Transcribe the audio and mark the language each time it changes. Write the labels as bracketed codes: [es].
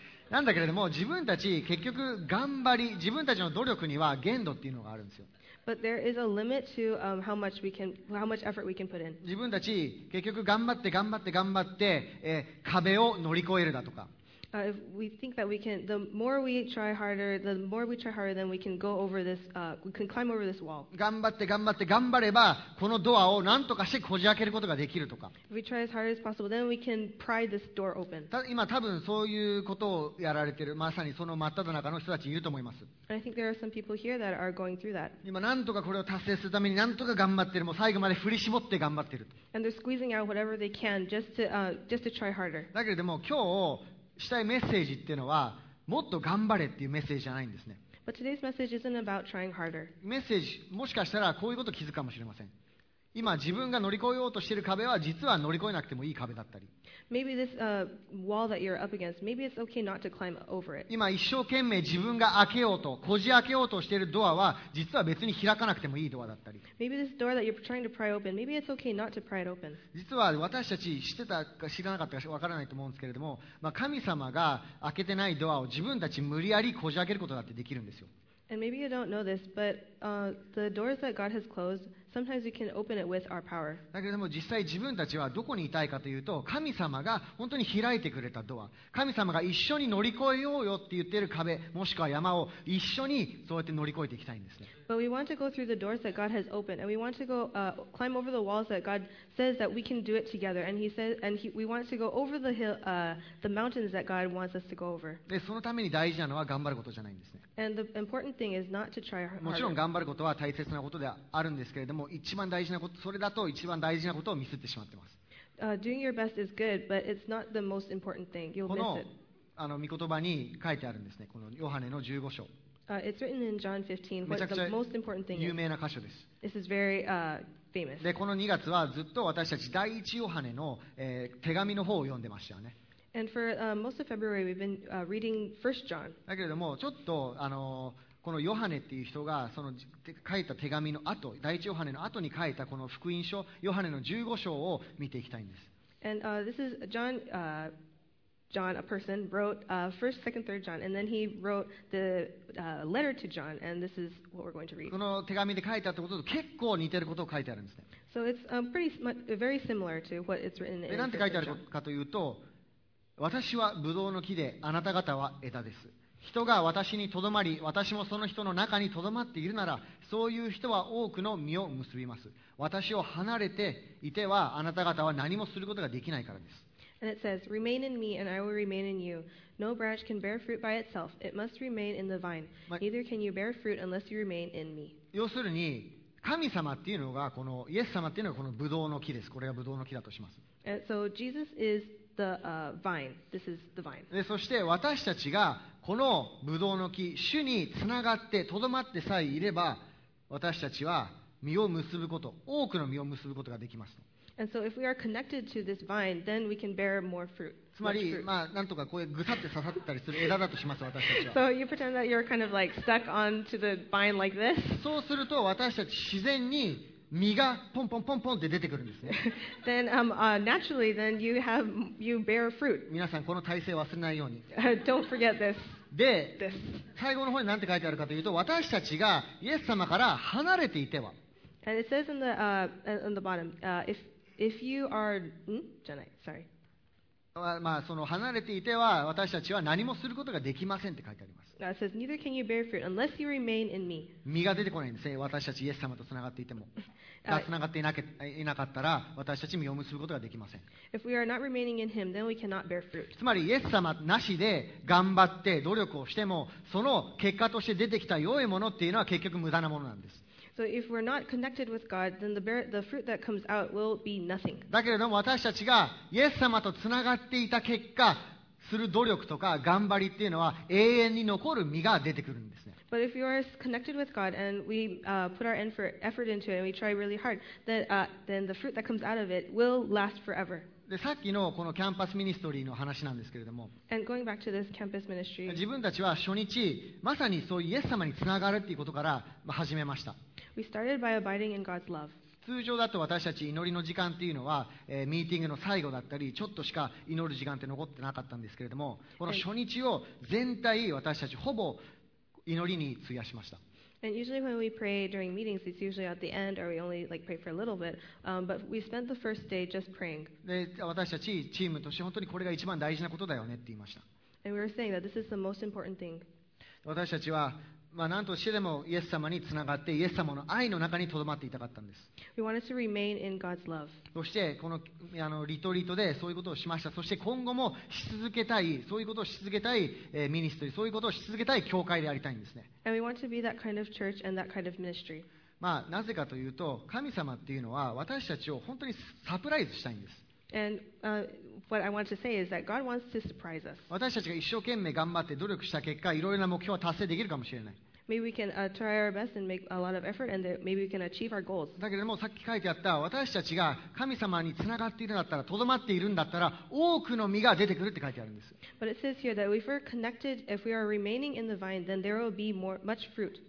[ja] なんだけれども自分たち結局頑張り自分たちの努力には限度っていうのがあるんですよ。 [en] But there is a limit to how much we can, how much effort we can put in. [ja] 自分たち結局頑張って頑張って頑張って、壁を乗り越えるだとか。 [en] If we think that we can, the more we try harder, the more we try harder, then we can go over this, we can climb over this wall. [ja] 頑張って頑張って頑張ればこのドアを何とかしてこじ開けることができるとか。 [en] If we try as hard as possible, then we can pry this door open. [ja] 今多分そういうことをやられてる、まさにその真っただ中の人たちいると思います。 [en] And I think there are some people here that are going through that. [ja] 今何とかこれを達成するために何とか頑張ってる、もう最後まで振り絞って頑張ってる。 [en] And they're squeezing out whatever they can just to try harder. [ja] だけれども今日したいメッセージっていうのはもっと頑張れっていうメッセージじゃないんですね。 [en] But today's message isn't about trying harder. [ja] メッセージ、もしかしたらこういうこと気づくかもしれません。今自分が乗り越えようとしている壁は実は乗り越えなくてもいい壁だったり。 [en] Maybe this wall that you're up against, maybe it's okay not to climb over it. [ja] 今一生懸命自分が開けようと、こじ開けようとしているドアは実は別に開かなくてもいいドアだったり。 [en] Maybe this door that you're trying to pry open, maybe it's okay not to pry it open. [ja] 実は私たち知ってたか知らなかったか分からないと思うんですけれども、まあ、神様が開けてないドアを自分たち無理やりこじ開けることだってできるんですよ。 [en] And maybe you don't know this, but the doors that God has closed, sometimes we can open it with our power. [ja] だけども実際自分たちはどこにいたいかというと、神様が本当に開いてくれたドア、神様が一緒に乗り越えようよって言っている壁、もしくは山を一緒にそうやって乗り越えていきたいんですね。 [en] But we want to go through the doors that God has opened, and we want to go climb over the walls that God says that we can do it together. And He says, and he, we want to go over the hill, the mountains that God wants us to go over. [ja] で、そのために大事なのは頑張ることじゃないんですね。 [en] And the important thing is not to try harder. [ja] もちろん頑張ることは大切なことであるんですけれども、一番大事なこと、それだと一番大事なことをミスってしまってます。 [en] Doing your best is good, but it's not the most important thing. You'll miss it. [ja] この、あの、御言葉に書いてあるんですね。このヨハネの15章。 [en] It's written in John 15. What the most important thing is? [ja] 有名な箇所です。 [en] This is very famous. [ja] で、この2月はずっと私たち第一ヨハネの、手紙の方を読んでましたよね。 [en] And for most of February, we've been reading 1 John. [ja] だけれども、ちょっとあのこのヨハネっていう人がその書いた手紙の後、第一ヨハネの後に書いたこの福音書ヨハネの15章を見ていきたいんです。 [en] And this is John. John, a person, wrote first, second, third John, and then he wrote the letter to John, and this is what we're going to read. [ja] この手紙で書いたってことと結構似てることを書いてあるんですね。 [en] So it's pretty much very similar to what it's written in. [ja] なんて書いてあるかというと、私はブドウの木で、あなた方は枝です。人が私にとどまり、私もその人の中にとどまっているなら、そういう人は多くの実を結びます。私を離れていては、あなた方は何もすることができないからです。 [en] And it says, remain in me and I will remain in you. No branch can bear fruit by itself. It must remain in the vine. Neither can you bear fruit unless you remain in me. [ja] 要するに、神様っていうのがこのイエス様っていうのがこのブドウの木です。これがブドウの木だとします。 [en] And so Jesus is the vine. This is the vine. [ja] で、そして私たちがこのブドウの木、主につながってとどまってさえいれば、私たちは実を結ぶこと、多くの実を結ぶことができます。 [en] And so, if we are connected to this vine, then we can bear more fruit. [ja] つまり、まあなんとかこうぐさって刺さったりする枝だとします私たちは。 [en] So you pretend that you're kind of like stuck onto the vine like this. [ja] そうすると私たち自然に実がポンポンポンポンって出てくるんですね。 [en] Then naturally, then you bear fruit. [ja] 皆さんこの体勢忘れないように。 [en] Don't forget this. [ja] で、最後の方に何て書いてあるかというと、私たちがイエス様から離れていては。 [en] And it says on the bottom, if you are [ja] んじゃない [en] sorry、 [ja] まあ、その離れていては私たちは何もすることができませんって書いてあります。 [en] It says, neither can you bear fruit unless you remain in me. [ja] 実が出てこないんですね。私たちイエス様とつながっていてもがつながっていなかったら私たち実を結ぶことができません。 [en] If we are not remaining in him, then we cannot bear fruit. [ja] つまりイエス様なしで頑張って努力をしてもその結果として出てきた良いものっていうのは結局無駄なものなんです。 [en] So if we're not connected with God, then the fruit that comes out will be nothing. [ja] だけれども私たちがイエス様とつながっていた結果する努力とか頑張りっていうのは永遠に残る実が出てくるんですね。 [en] But if you are connected with God and we put our effort into it and we try really hard, then the fruit that comes out of it will last forever. [ja] で、さっきのこのキャンパスミニストリーの話なんですけれども、 [en] And going back to this campus ministry, [ja] 自分たちは初日まさにそういうイエス様につながるっていうことから始めました。 [en] We started by abiding in God's love. [ja] 通常だと私たち祈りの時間っていうのは、ミーティングの最後だったりちょっとしか祈る時間って残ってなかったんですけれども、この初日を全体私たちほぼ祈りに費やしました。 [en] And usually when we pray during meetings, it's usually at the end or we only like pray for a little bit. But we spent the first day just praying. [ja] で、私たちチームとして本当にこれが一番大事なことだよねって言いました。 [en] And we were saying that this is the most important thing. [ja] 私たちはまあ、何としてでもイエス様につながってイエス様の愛の中にとどまっていたかったんです。 [en] We wanted to remain in God's love. [ja] そしてこの、あのリトリートでそういうことをしました。そして今後もし続けたい、そういうことをし続けたい、ミニストリー、そういうことをし続けたい教会でありたいんですね。 [en] And we want to be that kind of church and that kind of ministry. [ja] まあ、なぜかというと神様っていうのは私たちを本当にサプライズしたいんです。 [en] And what I want to say is that God wants to surprise us. [ja] 私たちが一生懸命頑張って努力した結果、いろいろな目標は達成できるかもしれない。 [en] Maybe we can try our best and make a lot of effort, and maybe we can achieve our goals. [ja] だけれども、さっき書いてあった、私たちが神様につながっているんだったら、とどまっているんだったら、多くの実が出てくるって書いてあるんです。 [en] But it says here that if we're connected, if we are remaining in the vine, then there will be more, much fruit.